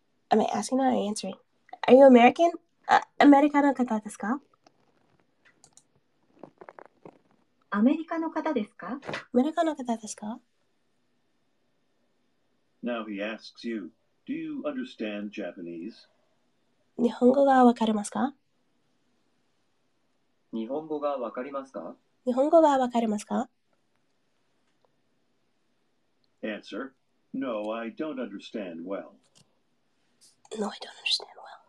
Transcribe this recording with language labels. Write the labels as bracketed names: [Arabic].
[English] Am I asking or answering? Are you American? [Japanese] アメリカの方ですか？アメリカの方ですか？アメリカの方ですか？ [English] Now he asks you, do you understand Japanese? [Japanese] 日本語がわかりますか？日本語がわかりますか？日本語がわかりますか？ [English] Answer, no, I don't understand well. No, I don't understand well.